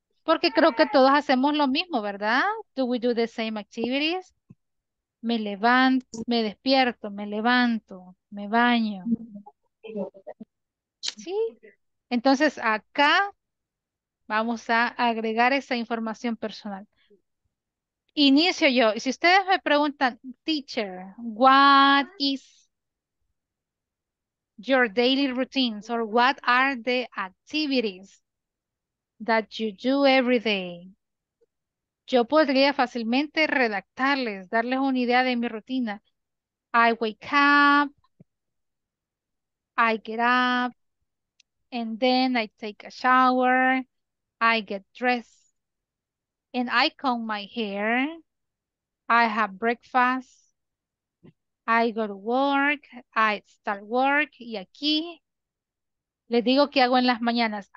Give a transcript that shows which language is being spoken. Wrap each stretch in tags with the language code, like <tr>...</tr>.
<es>Porque creo que todos hacemos lo mismo, ¿verdad?</es> <en>Do we do the same activities?</en> <es>me levanto, me despierto, me levanto, me baño. ¿Sí? Entonces acá vamos a agregar esa información personal. Inicio yo. Y si ustedes me preguntan,</es> <en>teacher, what is your daily routines or what are the activities that you do every day?</en> <es>Yo podría fácilmente redactarles, darles una idea de mi rutina.</es> <en>I wake up, I get up, and then I take a shower, I get dressed, and I comb my hair, I have breakfast, I go to work, I start work,</en> <es>y aquí les digo qué hago en las mañanas.</es>